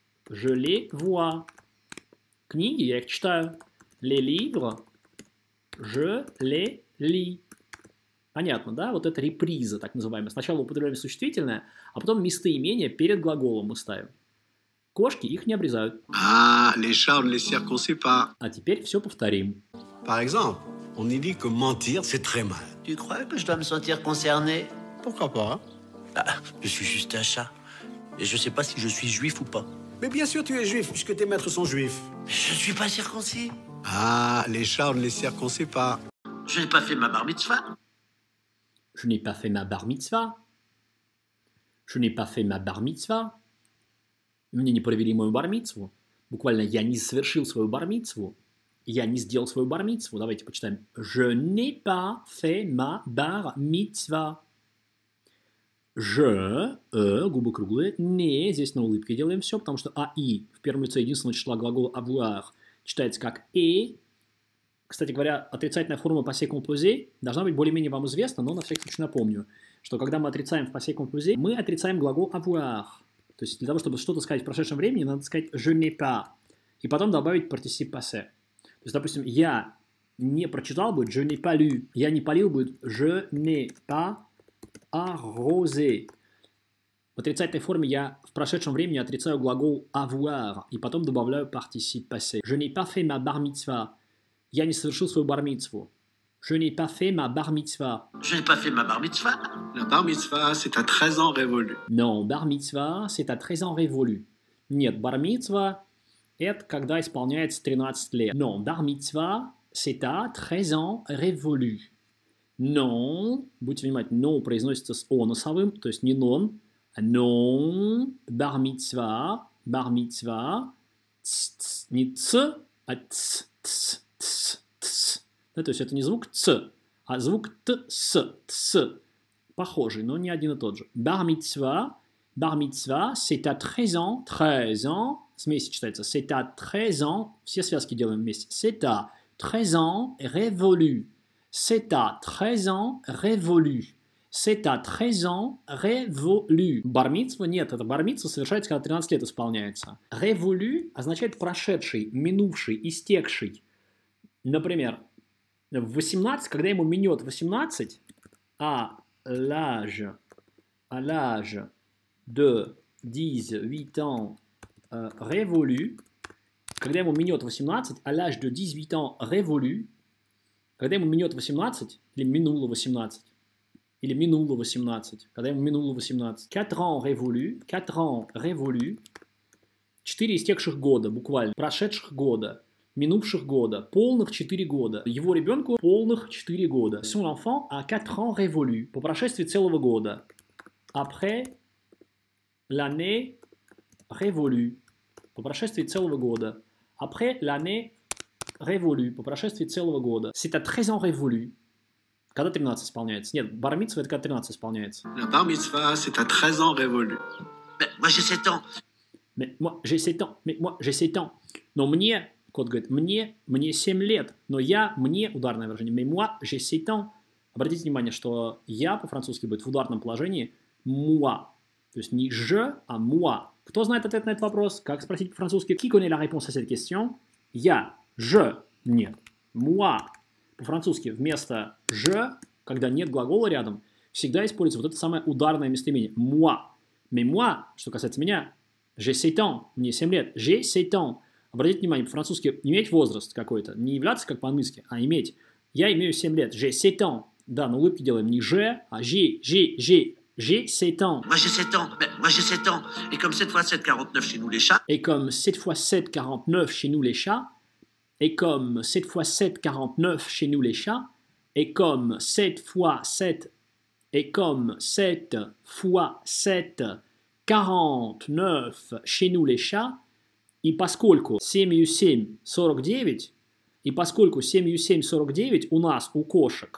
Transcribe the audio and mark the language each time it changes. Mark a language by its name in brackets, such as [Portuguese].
[French] Je les vois. [Russian] Книги, я их читаю. [French] Les livres. Je les lis. [Russian] Понятно, да? Вот это реприза, так называемая. Сначала употребляем существительное, а потом местоимение перед глаголом мы ставим. Кошки их не обрезают. [French] Les chats ne les circoncis pas. [Russian] А теперь все повторим. [French] Par exemple, on y dit que mentir c'est très mal. Tu crois que je dois me sentir concerné? Pourquoi pas? Je suis juste un chat. Et je sais pas si je suis juif ou pas. Mais bien sûr tu es juif, puisque tes maîtres sont juifs. Je ne suis pas circoncis. Les chats ne les circoncis pas. Je n'ai pas fait ma bar mitzvah. Je n'ai pas fait ma bar mitzvah. Je n'ai pas fait ma bar mitzvah. [Russian] Мне не провели мою бар митцву. Буквально, я не совершил свою бар митцву. Я не сделал свою бар митцву. Давайте почитаем. [French] Je n'ai pas fait ma bar mitzvah. [Russian] Je, губы круглые, не, здесь на улыбке делаем все, потому что аи в первом лице единственного числа глагола avoir читается как «э». Кстати говоря, отрицательная форма passé composé должна быть более-менее вам известна, но на всякий случай напомню, что когда мы отрицаем в passé composé, мы отрицаем глагол avoir. То есть для того, чтобы что-то сказать в прошедшем времени, надо сказать [French] «je n'ai pas» [Russian] и потом добавить participe passé. То есть, допустим, «я не прочитал» будет [French] «je n'ai pas lu», [Russian] «я не полил» будет [French] «je n'ai pas arrosé». [Russian] В отрицательной форме я в прошедшем времени отрицаю глагол avoir и потом добавляю participe passé. [French] Je n'ai pas fait ma bar mitzvah. [Russian] Я не совершил свою бар митцву. [French] Je n'ai pas fait ma bar mitzvah. Je n'ai pas fait ma bar mitzvah. La bar mitzvah, c'est à 13 ans révolu. Non, bar mitzvah, c'est à 13 ans révolu. [Russian] Нет, бар митцвах это когда исполняется 13 лет. [French] Non, bar mitzvah, c'est à 13 ans révolu. [Russian] Non, будьте внимательны, non произносится с о носовым, то есть не non. Non, bar mitzvah, bar mitzvah, ts, ts, не ts, а ts, ts, ts, ts. Да, то есть это не звук ts, а звук ts, ts, похожи, но не один и тот же. [French] Бар-митсва, c'est à 13 ans, 13 ans, [Russian] вместе читается, [French] c'est à 13 ans, [Russian] все связки делаем вместе, [French] c'est à 13 ans, révolu, c'est à 13 ans, révolu, c'est à 13 ans, révolu. [Russian] Бар-митсва, нет, это бар-митсва совершается, когда 13 лет исполняется. Révolu означает прошедший, минувший, истекший. Например, в 18, когда ему минет 18, [French] à l'âge de 18 ans [Russian] révolu, когда ему минет 18, [French] à l'âge de 18 ans révolu, [Russian] когда ему минет 18, или минуло 18, [French] 4 ans révolu, [Russian] 4 истекших года, буквально, прошедших года, минувших года, полных 4 года. Его ребенку полных 4 года. [French] Son enfant a 4 ans révolu. [Russian] По прошествии целого года. [French] Après l'année révolu. [Russian] По прошествии целого года. [French] Après l'année révolu. [Russian] По прошествии целого года. [French] C'est à 13 ans révolu. [Russian] Когда 13 исполняется? Нет, бар-митсва это когда 13 исполняется. [French] La bar-митсва, c'est à 13 ans révolu. Mais moi, j'ai 7 ans. [Russian] Но мне... Кот говорит, мне 7 лет, но я, мне, ударное выражение, [French] mais moi, j'ai 7 ans. [Russian] Обратите внимание, что я по-французски будет в ударном положении moi. То есть не je, а moi. Кто знает ответ на этот вопрос? Как спросить по-французски? [French] Qui connaît la réponse à cette question? [Russian] Я, je, нет, moi. По-французски вместо je, когда нет глагола рядом, всегда используется вот это самое ударное местоимение, moi. [French] Mais moi, [Russian] что касается меня, [French] j'ai 7 ans, [Russian] мне 7 лет, [French] j'ai 7 ans. [Russian] Обратите внимание, по-французски иметь возраст какой-то, не являться как по-английски, а иметь. Я имею 7 лет. [French] J'ai 7 ans. [Russian] Да, на улыбке делаем не же, а [French] j'ai 7 ans. Moi j'ai 7 ans. Et comme 7 fois 7, 49 chez nous les chats. Et comme 7 fois 7, 49 chez nous les chats. Et comme 7 fois 7, 49 chez nous les chats. Et comme 7 fois 7. Et comme 7 fois 7, 49 chez nous les chats. [Russian] И поскольку 7 7 49, и поскольку 7 7 49 у нас у кошек.